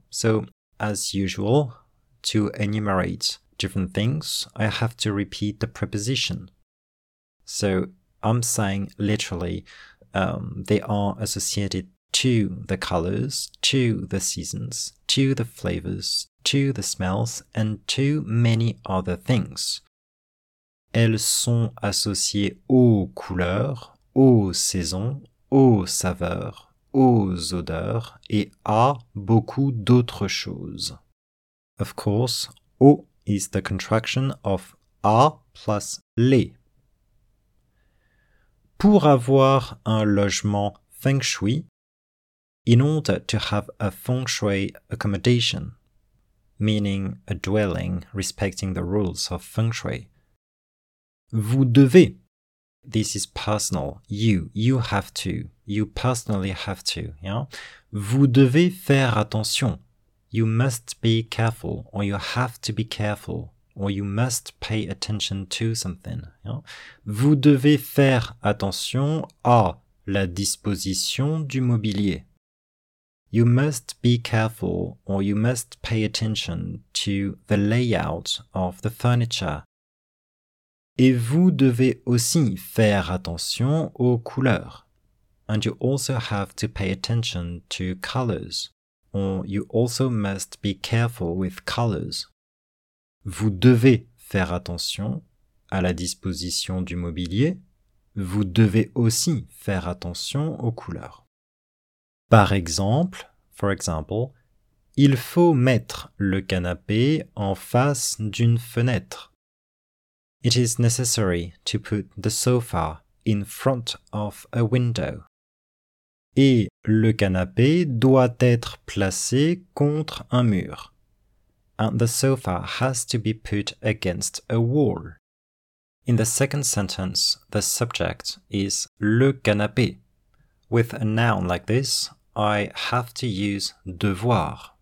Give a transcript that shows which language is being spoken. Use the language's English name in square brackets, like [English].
[English] So, as usual, to enumerate different things, I have to repeat the preposition. So, I'm saying literally, they are associated to the colors, to the seasons, to the flavors, to the smells, and to many other things. [French] Elles sont associées aux couleurs, aux saisons, aux saveurs, aux odeurs et à beaucoup d'autres choses. [English] Of course, O is the contraction of A plus les. [French] Pour avoir un logement feng shui, [English] in order to have a feng shui accommodation, meaning a dwelling respecting the rules of feng shui, [French] vous devez. [English] This is personal. You have to. You personally have to. Yeah? [French] Vous devez faire attention. [English] You must be careful, or you have to be careful, or you must pay attention to something. Yeah? [French] Vous devez faire attention à la disposition du mobilier. [English] You must be careful, or you must pay attention to the layout of the furniture. [French] Et vous devez aussi faire attention aux couleurs. [English] And you also have to pay attention to colors. Or you also must be careful with colors. [French] Vous devez faire attention à la disposition du mobilier. vous devez aussi faire attention aux couleurs. Par exemple, [English] for example, [French] il faut mettre le canapé en face d'une fenêtre. [English] It is necessary to put the sofa in front of a window. [French] Et le canapé doit être placé contre un mur. [English] And the sofa has to be put against a wall. In the second sentence, the subject is le canapé. With a noun like this, I have to use devoir.